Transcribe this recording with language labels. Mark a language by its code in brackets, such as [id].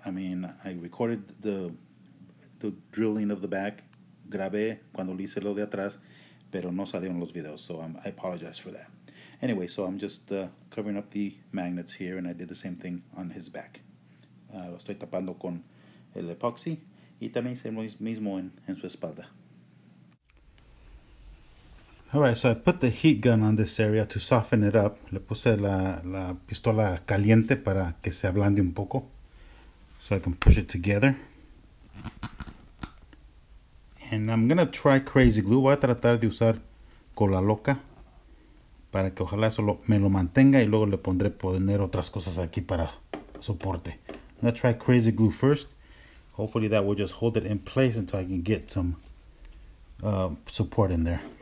[en] I mean, I recorded the drilling of the back. [es] Grabé cuando hice lo de atrás, pero no salieron los videos, so I apologize for that. [en] Anyway, so I'm just covering up the magnets here, and I did the same thing on his back. [es] Lo estoy tapando con el epoxy, y también hice lo mismo en su espalda. [en] All right, so I put the heat gun on this area to soften it up. [es] Le puse la pistola caliente para que se ablande un poco, so I can push it together. [en] And I'm gonna try crazy glue. [es] Voy a tratar de usar cola loca para que ojalá solo me lo mantenga y luego le pondré poner otras cosas aquí para soporte. [en] I'm gonna try crazy glue first. Hopefully that will just hold it in place until I can get some support in there.